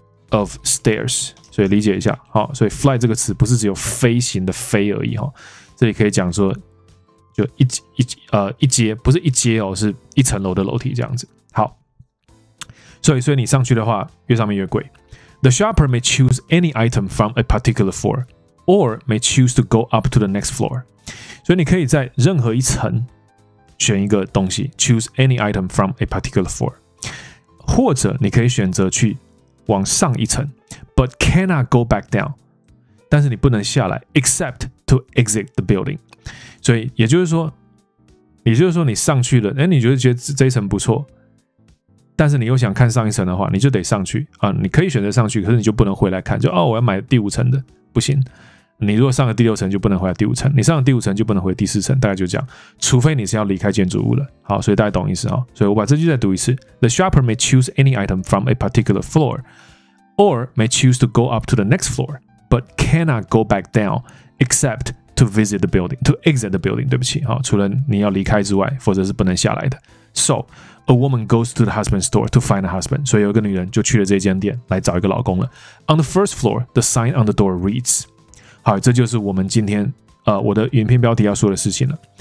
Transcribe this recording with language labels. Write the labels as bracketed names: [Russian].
[English] Of stairs， [Chinese] 所以理解一下，好，所以 fly 这个词不是只有飞行的飞而已哈，这里可以讲说，就一阶，不是一阶哦，是一层楼的楼梯这样子。好，所以你上去的话，越上面越贵。 [English] The shopper may choose any item from a particular floor, or may choose to go up to the next floor。 [Chinese] 所以你可以在任何一层选一个东西 ， [English] choose any item from a particular floor， [Chinese] 或者你可以选择去。往上一层 [English] ，but cannot go back down， [Chinese] 但是你不能下来 [English] ，except to exit the building。 [Chinese] 所以也就是说，你上去了，你觉得这一层不错，但是你又想看上一层的话，你就得上去啊。你可以选择上去，可是你就不能回来看，我要买第五层的，不行。你如果上了第六层，就不能回来第五层；你上了第五层，就不能回第四层。大概就这样，除非你是要离开建筑物了。好，所以大家懂意思啊、哦。所以我把这句再读一次 [English] ：The shopper may choose any item from a particular floor, or may choose to go up to the next floor, but cannot go back down except to visit the building, to exit the building。 [Chinese] 对不起，好，除了你要离开之外，否则是不能下来的。 [English] So a woman goes to the husband's store to find a husband。 [Chinese] 所以有一个女人就去了这间店来找一个老公了。 [English] On the first floor, the sign on the door reads。 [Chinese] 好，这就是我们今天我的影片标题要说的事情了。